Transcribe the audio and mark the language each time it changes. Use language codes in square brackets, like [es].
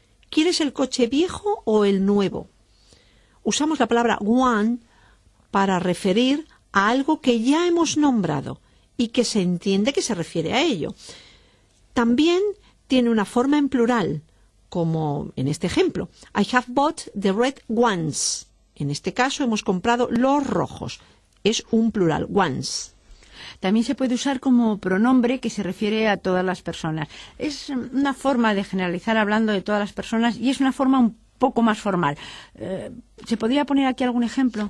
[es] ¿Quieres el coche viejo o el nuevo? Usamos la palabra one para referir a algo que ya hemos nombrado y que se entiende que se refiere a ello. También tiene una forma en plural, como en este ejemplo. [en] I have bought the red ones. [es] En este caso hemos comprado los rojos. Es un plural, ones. También se puede usar como pronombre que se refiere a todas las personas. Es una forma de generalizar hablando de todas las personas y es una forma un poco más formal. ¿Se podría poner aquí algún ejemplo?